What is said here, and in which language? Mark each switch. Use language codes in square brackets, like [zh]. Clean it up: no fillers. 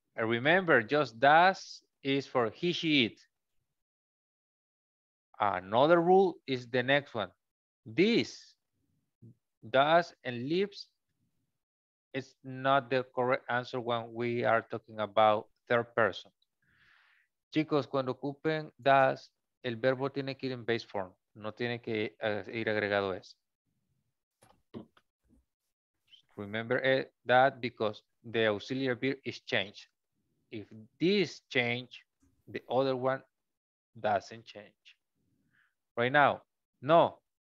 [en] And remember, just does is for he, she, it. Another rule is the next one. This does and lives is not the correct answer when we are talking about third person. [es] Chicos, cuando ocupen does, el verbo tiene que ir en base form. No tiene que ir agregado es. [en] Remember that because the auxiliary verb is changed. If this change, the other one doesn't change. Right now, no.